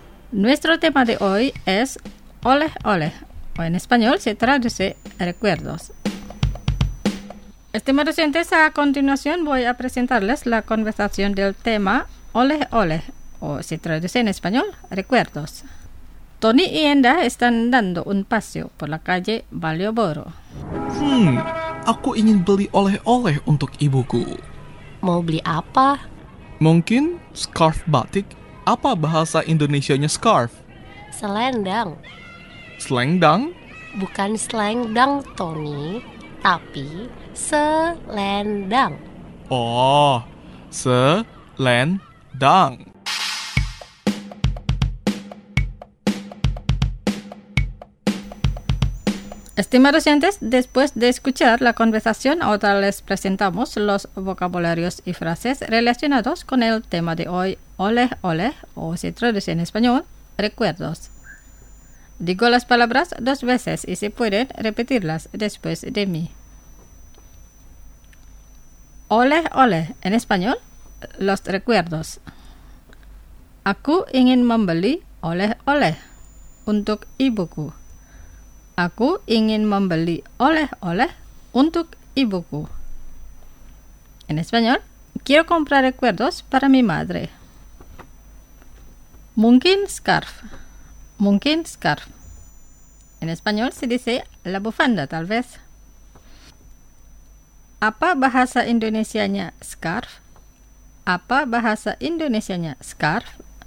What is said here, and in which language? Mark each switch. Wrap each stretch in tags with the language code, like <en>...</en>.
<es>Nuestro tema de hoy es Oleh Oleh, o en español se traduce Recuerdos. Estimados oyentes, a continuación voy a presentarles la conversación del tema Oleh Oleh, o se traduce en español, Recuerdos. Tony y Enda están dando un paseo por la calle Malioboro.</es> <id>Aku ingin beli oleh-oleh untuk ibuku. Mau beli apa? Mungkin scarf batik. Apa bahasa Indonesianya scarf? Selendang. Selendang? Bukan selendang, Tony, tapi selendang. Oh, selendang. Selendang.</id> <es>Estimados oyentes, después de escuchar la conversación, ahora les presentamos los vocabularios y frases relacionados con el tema de hoy, oleh, oleh, o si traduce en español, recuerdos. Digo las palabras dos veces y si pueden, repetirlas después de mí. Oleh, oleh, en español, los recuerdos.</es> <id>Aku ingin membeli oleh, oleh, untuk ibuku. Aku ingin membeli oleh-oleh untuk ibuku.</id> <es>En español, quiero comprar recuerdos para mi madre.</es> <id>Mungkin scarf. Mungkin scarf.</id> <es>En español se dice la bufanda, tal vez.</es> <id>Apa bahasa Indonesianya scarf? Apa bahasa Indonesianya scarf?</id>